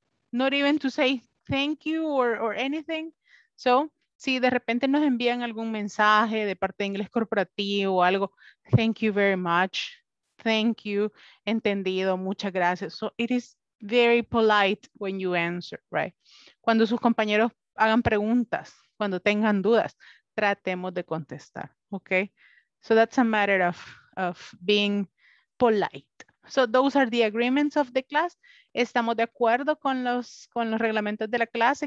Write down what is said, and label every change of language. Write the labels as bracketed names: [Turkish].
[English] Not even to say thank you or anything. [Spanish] So, si de repente nos envían algún mensaje de parte de Inglés Corporativo o algo, [English] thank you very much. Thank you. [Spanish] Entendido. Muchas gracias. [English] So, it is very polite when you answer, right? [Spanish] Cuando sus compañeros hagan preguntas, cuando tengan dudas, tratemos de contestar, okay? [English] So that's a matter of being polite. So those are the agreements of the class. [Spanish] ¿Estamos de acuerdo con los reglamentos de la clase?